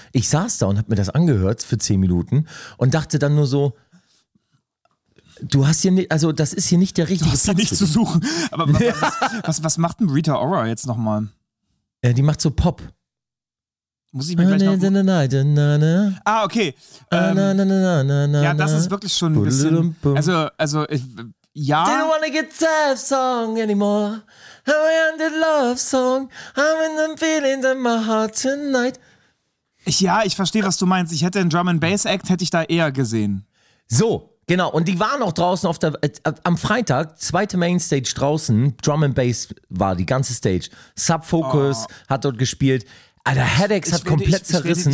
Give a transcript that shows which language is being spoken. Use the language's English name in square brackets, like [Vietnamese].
[German] Ich saß da und hab mir das angehört für 10 Minuten und dachte dann nur so, du hast hier nicht, also das ist hier nicht der richtige Platz. Du hast hier nichts zu suchen. Aber was macht denn Rita Ora jetzt nochmal? Die macht so Pop. Muss ich mir gleich noch... Ah, okay. Ja, das ist wirklich schon ein bisschen... Also ich... Ja. [English] Didn't wanna get sad song anymore. I want a love song. I'm in the feeling in my heart tonight. [German] Ja, ich verstehe, was du meinst. Ich hätte einen Drum and Bass Act, hätte ich da eher gesehen. So, genau. Und die waren auch draußen auf der am Freitag, zweite Mainstage draußen, Drum and Bass war die ganze Stage. Subfocus hat dort gespielt. Alter, Headaches hat komplett zerrissen.